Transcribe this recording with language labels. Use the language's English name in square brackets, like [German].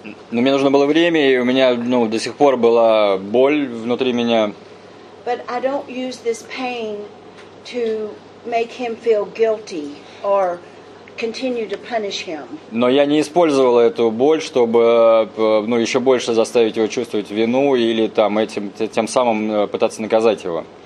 [Russian] Но мне нужно было время, и у меня, ну, до сих пор была боль внутри меня. [English] But I don't use this pain to make him feel guilty or continue to punish him. [Russian] Но я не использовала эту боль, чтобы, ну, еще больше заставить его чувствовать вину или там этим тем самым пытаться наказать его.